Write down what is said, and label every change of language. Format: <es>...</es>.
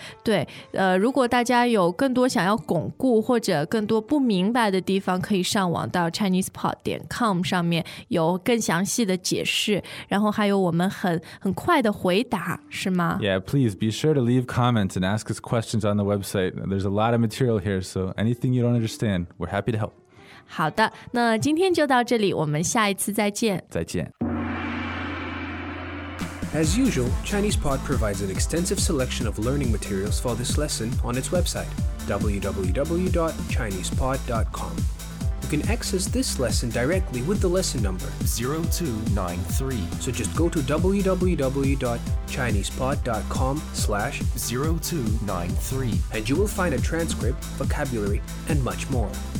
<zh>对，如果大家有更多想要巩固或者更多不明白的地方，可以上网到 ChinesePod.com 上面有更详细的解释，然后还有我们很快的回答，是吗？</zh> <en>Yeah, please be sure to leave comments and ask us questions on the website. There's a lot of material here, so anything you don't understand, we're happy to help.</en> <zh>好的，那今天就到这里，我们下一次再见。再见。</zh> <en>As usual, ChinesePod provides an extensive selection of learning materials for this lesson on its website, www.chinesepod.com. You can access this lesson directly with the lesson number 0293. So just go to www.chinesepod.com/0293 and you will find a transcript, vocabulary, and much more.</en>